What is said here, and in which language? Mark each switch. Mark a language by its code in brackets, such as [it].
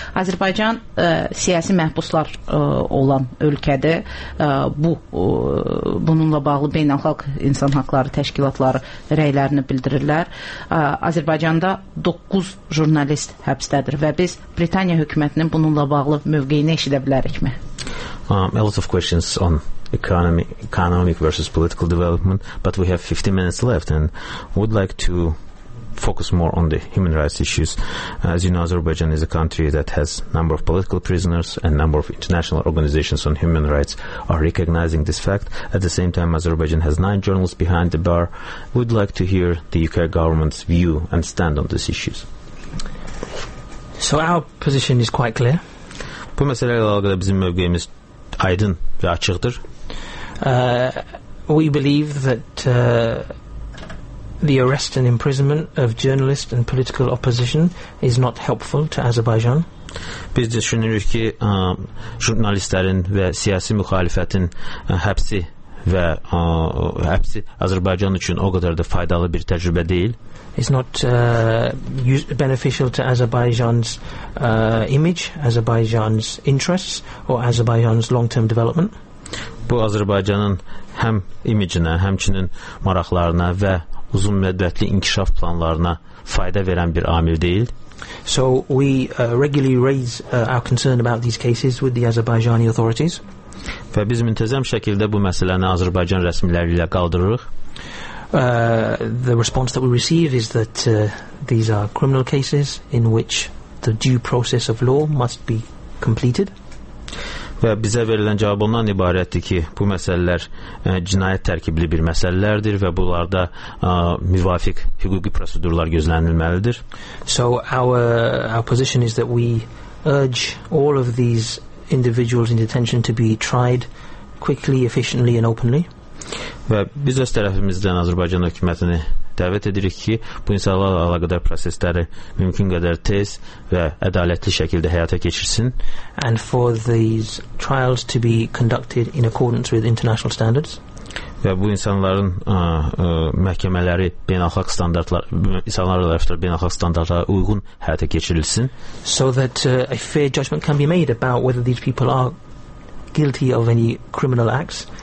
[az] Azərbaycan siyasi məhbuslar olan ölkədir. Bununla bağlı beynəlxalq insan haqları təşkilatları rəylərini bildirirlər. Azərbaycanda 9 jurnalist həbsdədir və biz Britaniya hökumətinin bununla bağlı mövqeyini eşidə bilərikmi? [en] A lot of questions on economic versus political development, but we have 50 minutes left and would like to focus more on the human rights issues. As you know, Azerbaijan is a country that has number of political prisoners and number of international organizations on human rights are recognizing this fact. At the same time, Azerbaijan has 9 journalists behind the bar. We'd like to hear the UK government's view and stand on these issues. So our position is quite clear. [az] Bu məsələlə əlaqədə bizim mövqeyimiz aydın və açıqdır. [en] We believe that the arrest and imprisonment of journalists and political opposition is not helpful to Azerbaijan. [az] Biz düşünürük ki, jurnalistlərin və siyasi müxalifətin həbsi və həbsi Azərbaycan üçün o qədər də faydalı bir təcrübə deyil. [en] It's not beneficial to Azerbaijan's image, Azerbaijan's interests, or Azerbaijan's long-term development. [az] Bu Azərbaycanın həm imicinə, həmçinin maraqlarına və uzun müddətli inkişaf planlarına fayda verən bir amil deyil. [en] So we regularly raise our concern about these cases with the Azerbaijani authorities. [az] Və biz müntəzəm şəkildə bu məsələni Azərbaycan rəsmiləri ilə qaldırırıq. [en] The response that we receive is that these are criminal cases in which the due process of law must be completed. [az] Və bizə verilən cavab ondan ibarətdir ki, bu məsələlər cinayət tərkibli bir məsələlərdir və bunlarda müvafiq hüquqi prosedurlar gözlənilməlidir. [en] So our position is that we urge all of these individuals in detention to be tried quickly, efficiently and openly. [az] Və biz öz tərəfimizdən Azərbaycan hökumətini dəvət edirik ki, bu insanlarla əlaqədar prosesləri mümkün qədər tez və ədalətli şəkildə həyata keçirsin. [en] And for these trials to be conducted in accordance with international standards. [az] Və bu insanların məhkəmələri beynəlxalq standartlar, insanlarla əlaqədar beynəlxalq standartlara uyğun həyata keçirilsin. [en] So that a fair judgment can be made about whether these people are guilty of any criminal acts.